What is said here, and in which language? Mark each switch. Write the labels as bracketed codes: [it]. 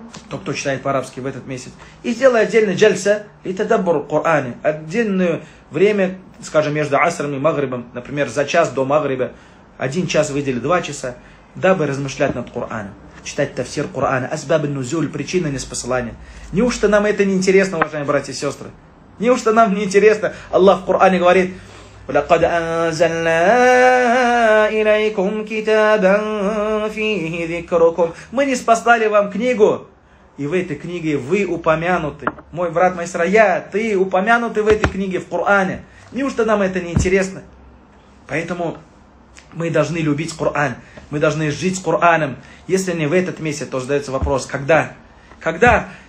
[ru] тот, кто читает по-арабски в этот месяц, и сделай отдельный джальса, [ar] литадаббур Кур'ани, [ru] отдельное время, скажем, между Асром и Магрибом, например, за час до Магриба, один час выдели, два часа, дабы размышлять над Кур'аном, читать тафсир Кур'ана, асбабы нузюль, причины неспосылания. Неужто нам это не интересно, уважаемые братья и сестры? Неужто нам не интересно? Аллах в Кур'ане говорит: [ar] وَلَقَدْ أَنزَلْنَا إِلَيْكُمْ كِتَابًا فِيهِ ذِكْرُكُمْ. [ru] Мы не спаслали вам книгу, и в этой книге вы упомянуты. Мой брат, моя сестра, я, ты упомянуты в этой книге, в Коране. Неужто нам это не интересно? Поэтому мы должны любить Коран. Мы должны жить с Кораном. Если не в этот месяц, то задается вопрос, когда? Когда?